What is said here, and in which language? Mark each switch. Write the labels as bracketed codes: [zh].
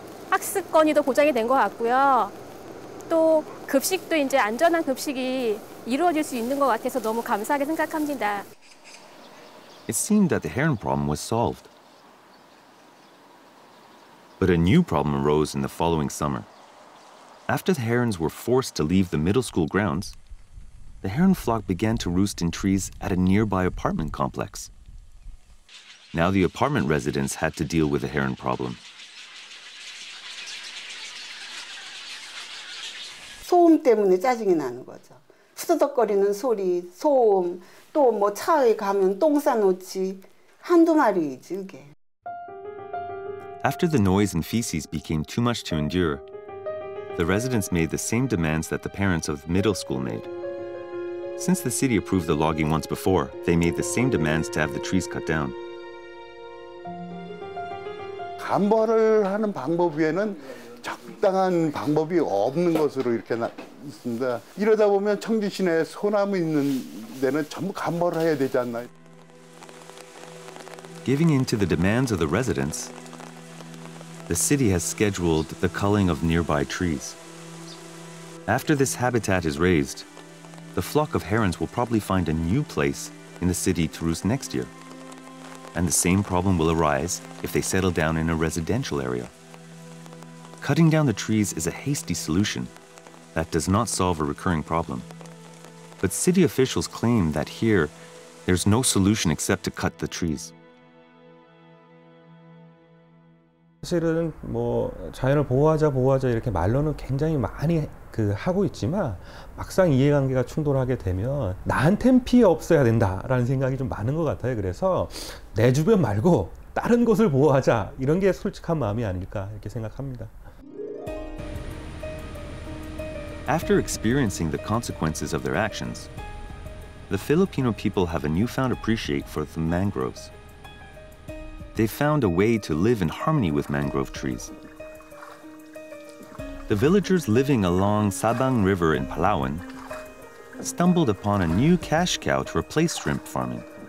[ko] 학습권이도 보장이 된 것 같고요. 또 급식도 이제 안전한 급식이 이루어질 수 있는 것 같아서 너무 감사하게 생각합니다. [en] It seemed that the heron problem was solved. But a new problem arose in the following summer. After the herons were forced to leave the middle school grounds, the heron flock began to roost in trees at a nearby apartment complex. Now the apartment residents had to deal with the heron problem. [ko] 소음 때문에 짜증이 나는 거죠. 후두덕거리는 소리, 소음, 또 뭐 차에 가면 똥 싸놓지 한두 마리이지 이게. [en] After the noise and feces became too much to endure, the residents made the same demands that the parents of the middle school made. Since the city approved the logging once before, they made the same demands to have the trees cut down. [ko] 간벌을 하는 방법 외에는 적당한 방법이 없는 것으로 이렇게 있습니다. 이러다 보면 청주 시내에 소나무 있는 데는 전부 간벌을 해야 되지 않나요? [en] Giving in to the demands of the residents, the city has scheduled the culling of nearby trees. After this habitat is razed, the flock of herons will probably find a new place in the city to roost next year. And the same problem will arise if they settle down in a residential area. Cutting down the trees is a hasty solution that does not solve a recurring problem. But city officials claim that here, there's no solution except to cut the trees. [ko] 사실은 뭐 자연을 보호하자 보호하자 이렇게 말로는 굉장히 많이 그 하고 있지만 막상 이해관계가 충돌하게 되면 나한텐 피해 없어야 된다라는 생각이 좀 많은 것 같아요. 그래서 내 주변 말고 다른 곳을 보호하자 이런 게 솔직한 마음이 아닐까 이렇게 생각합니다. [en] After experiencing the consequences of their actions, the Filipino people have a newfound appreciation for the mangroves. They found a way to live in harmony with mangrove trees. the villagers living along Sabang River in Palawan stumbled upon a new cash cow to replace shrimp farming.